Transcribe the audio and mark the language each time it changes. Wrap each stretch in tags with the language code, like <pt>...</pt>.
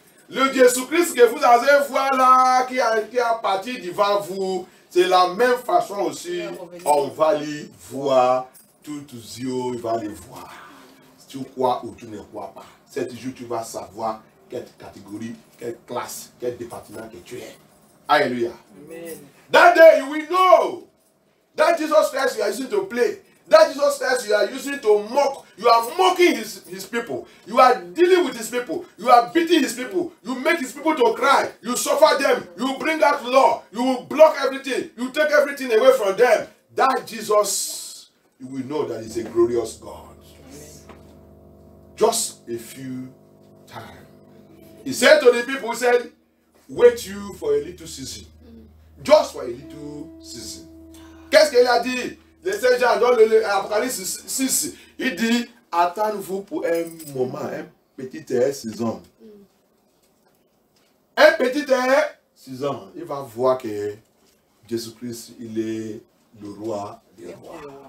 <fr>Le Jésus-Christ que vous avez vu là, qui a parti devant vous, c'est la même façon aussi, on va les voir. Tous tes yeux, il va les voir. Tu crois ou tu ne crois pas. Cet jour, tu vas savoir quelle catégorie, quelle classe, quel département que tu es. Alléluia. Amen.</fr> <en>That day, you will know that Jesus Christ you are using to play. That Jesus Christ you are using to mock. You are mocking his people. You are dealing with his people. You are beating his people. You make his people to cry. You suffer them. You bring out law. You block everything. You take everything away from them. That Jesus, you will know that he's a glorious God. Just a few times. time. He said to the people, he said, wait you for a little season. Just for a little season.</en> <fr>Qu'est-ce qu'il a dit? Le Seigneur, dans l'Apocalypse 6, il dit, attendez-vous pour un moment, un petit saison. Un petit saison, il va voir que Jésus-Christ, il est le roi des rois.</fr>